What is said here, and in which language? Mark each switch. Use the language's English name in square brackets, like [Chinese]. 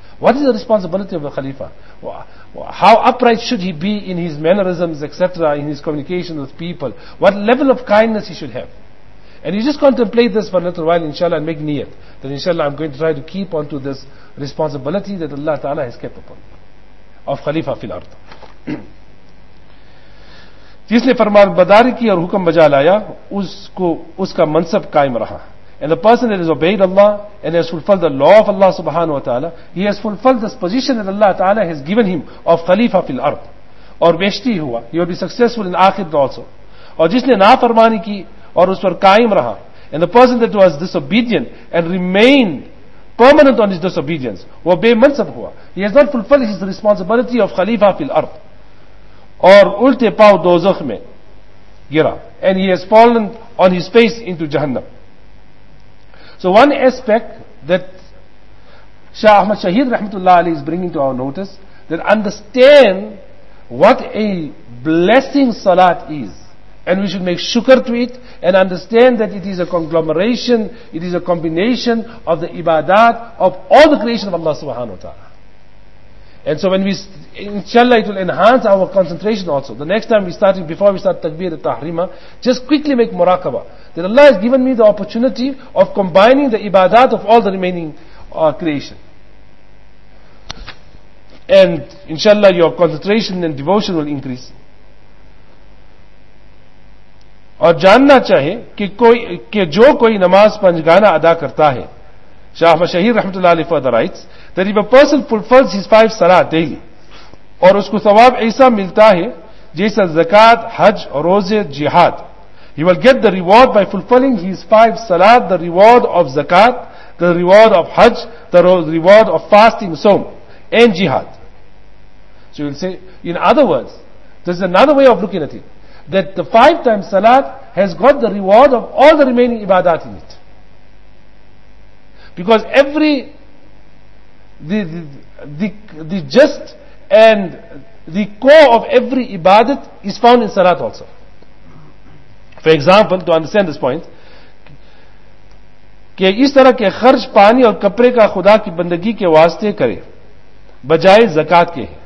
[English] What is the responsibility of a Khalifa? How upright should he be in his mannerisms, etc., in his communication with people? What level of kindness he should have? And you just contemplate this for a little while, inshallah, and make niyat. Then inshallah, I'm going to try to keep on to this responsibility that Allah Ta'ala has kept upon of Khalifa fil Ard. [Urdu] جس نے فرمان بداری کی اور حکم بجا لایا اس کو اس کا منصب قائم رہا. [English] And the person that has obeyed Allah and has fulfilled the law of Allah subhanahu wa ta'ala, he has fulfilled this position that Allah ta'ala has given him of Khalifa fil Ard. [Urdu] اور بیشتی ہوا, [English] he will be successful in آخر also. [Urdu] اور جس نے نافرمانی کی اور اس پر قائم رہا. [English] And the person that was disobedient and remained permanent on his disobedience, [Urdu] وہ بے منصب ہوا. [English] He has not fulfilled his responsibility of Khalifa fil Ard. [Urdu] اور الٹے پاؤ دوزخ میں گرا. [English] And he has fallen on his face into Jahannam. So one aspect that Shah Ahmad Shaheed Rahmatullah Ali is bringing to our notice, that understand what a blessing Salat is. And we should make shukr to it, and understand that it is a conglomeration, it is a combination of the ibadat of all the creation of Allah subhanahu wa ta'ala. And so when we, inshallah, it will enhance our concentration also. The next time we start, before we start takbir al-tahrima, just quickly make muraqabah. That Allah has given me the opportunity of combining the ibadat of all the remaining creation. And inshallah, your concentration and devotion will increase. [Urdu] اور جاننا چاہے کہ جو کوئی نماز پنجگانہ ادا کرتا ہے. [English] شاہ مشہیر رحمت اللہ علیہ further writes that if a person fulfills his five salat daily, [Urdu] اور اس کو ثواب ایسا ملتا ہے جیسا زکاة, حج, روزے, جہاد, [English] he will get the reward by fulfilling his five salat, the reward of زکاة, the reward of حج, the reward of fasting, صوم, and جہاد. So you'll say, in other words, there's another way of looking at it, that the five times salat has got the reward of all the remaining ibadat in it. Because every the gist and the core of every ibadat is found in salat also. For example, to understand this point, [Urdu] کہ اس طرح کے خرچ پانی اور کپڑے کا خدا کی بندگی کے واسطے کرے بجائے زکاة کے.